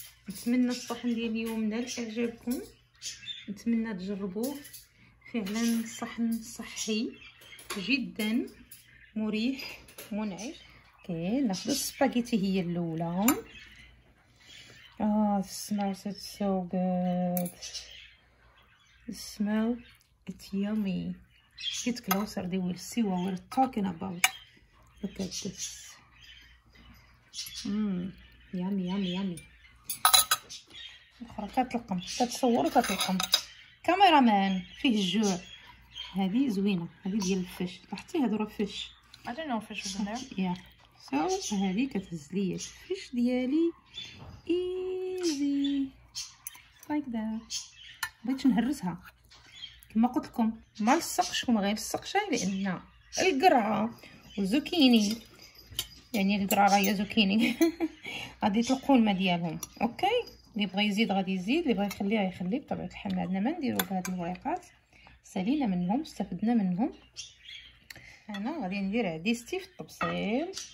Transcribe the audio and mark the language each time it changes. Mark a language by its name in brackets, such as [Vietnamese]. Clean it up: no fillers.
[Arabic] نتمنى الطحن ديال اليوم نال اعجابكم نتمنى تجربوه فعلا صحن صحي جدا مريح منعش اوكي ناخذ السباكيتي هي الاولى [English] Oh, it smells it so good. The smell, it's yummy. Get closer, they will see what we're talking about. Look at this. Yummy, yummy, yummy. [Arabic] أخرى كتلقم. تتصور كتلقم. كاميرامان فيه جوع. هذه زوينة. هذه ديال الفيش. تحتي هذو راه فيش. [English] I don't know if fish was in there. Yeah. [Arabic] So, هذه كتهزلي الفيش ديالي. [English] Easy, like that. [Arabic] بغيت نهرسها كما قلت لكم ما لصقش وما غيلصقش لان القرعه والزوكيني يعني القرعه راهي زوكيني غادي تلقوا الماء ديالهم اوكي اللي بغى يزيد غادي يزيد اللي بغى يخليها يخلي بطبيعه الحال عندنا ما نديروا بهاد الوريقات سالينا منهم استفدنا منهم انا غادي ندير عديستي في الطبسيل